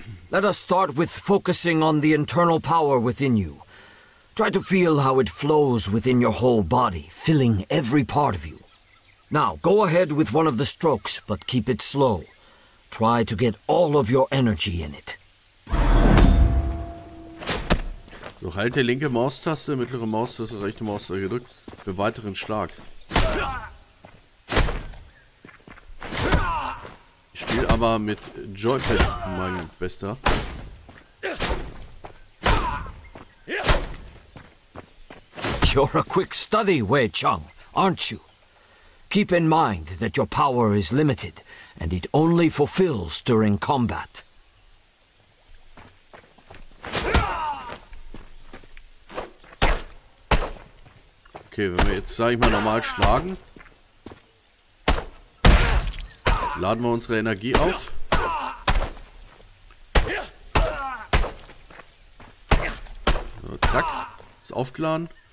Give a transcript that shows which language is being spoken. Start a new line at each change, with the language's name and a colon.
English: Let us start with focusing on the internal power within you. Try to feel how it flows within your whole body, filling every part of you. Now, go ahead with one of the strokes, but keep it slow. Try to get all of your energy in it.
German: So, halte linke Maustaste, mittlere Maustaste, rechte Maustaste gedrückt für weiteren Schlag. Ich spiele am aber mit Joypad, mein Bester.
English: You're a quick study, Wei Chang, aren't you? Keep in mind that your power is limited, and it only fulfills during combat.
German: Okay, wenn wir jetzt, sag ich mal, normal schlagen, laden wir unsere Energie auf. So, zack, ist aufgeladen.